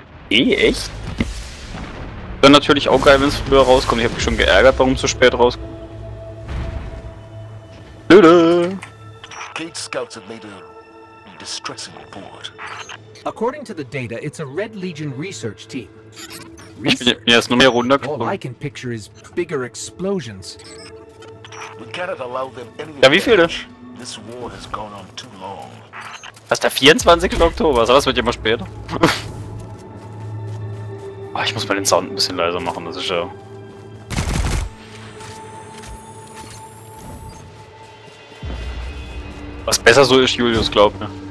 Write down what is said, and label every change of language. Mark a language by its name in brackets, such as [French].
[German] Echt? Wäre natürlich auch geil, wenn es früher rauskommt. Ich habe mich schon geärgert, warum es so spät rauskommt. [English] Gate Scouts have made a distressing report. According to the data, it's a Red Legion research team. Research? [German] Ja, ist nur mehr runtergekommen. [English] All I can picture is bigger explosions. We cannot allow them any. [German] Ja, wie viele? [English] This war has gone on too long. [German] Was, der 24. Oktober? So, das wird ja mal später. Oh, ich muss mal den Sound ein bisschen leiser machen, das ist ja... Was besser so ist, Julius, glaub mir.